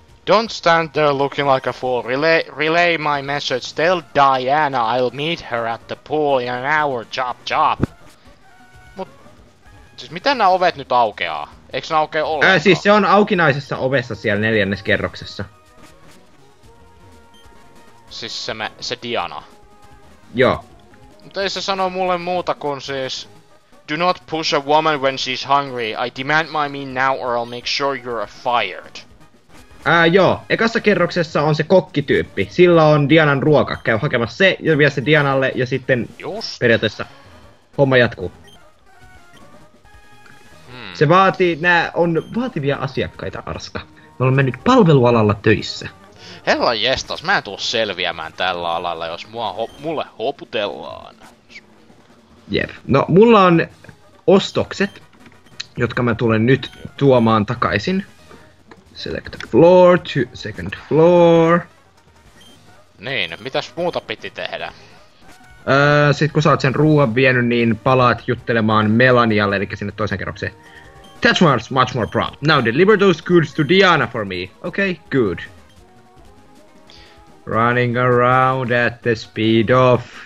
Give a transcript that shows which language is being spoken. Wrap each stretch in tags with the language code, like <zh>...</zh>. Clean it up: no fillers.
<en>Don't stand there looking like a fool. Relay my message. Tell Diana I'll meet her at the pool in an hour. Chop. Mut...</en> <fi>Siis miten nää ovet nyt aukeaa? Eikö ne aukee ollenkaan? Siis se on aukinaisessa ovessa siellä neljännes kerroksessa. Siis se Diana. Joo. Mutta ei se sano mulle muuta kuin siis...</fi> <en>Do not push a woman when she's hungry. I demand my meat now or I'll make sure you're fired.</en> <fi>Joo. Ekassa kerroksessa on se kokkityyppi. Sillä on Dianan ruoka. Käy hakemassa se ja vie se Dianalle ja sitten...</fi> <en>Just.</en> <fi>Periaatteessa homma jatkuu. Se vaatii, nää on vaativia asiakkaita, Arska. Me olemme nyt palvelualalla töissä. Herran jestas, mä en tuu selviämään tällä alalla, jos mulle hoputellaan. Jep. No, mulla on ostokset, jotka mä tulen nyt tuomaan takaisin.</fi> <en>Select floor to second floor.</en> <fi>Niin, mitäs muuta piti tehdä? Sit kun sä oot sen ruoan vienyt, niin palaat juttelemaan Melanialle, eli sinne toisen kerrokseen.</fi> <en>That's much more prompt. Now deliver those goods to Diana for me. Okay, good. Running around at the speed of...</en>